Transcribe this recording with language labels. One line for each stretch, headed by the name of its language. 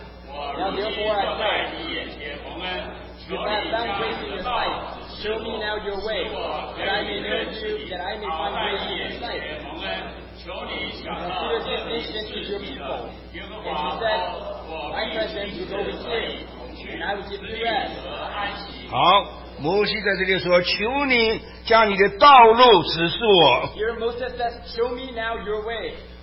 English: Now therefore I say, if I have found grace in your sight, show me now your way, that I may know you, that I may find grace in your sight. Consider this nation to your people. And you said, my presence will go with you, and I will give you rest.
Chinese: 好，摩西在这里说，求你将你的道路指示我。
English: Here Moses says, show me now your way.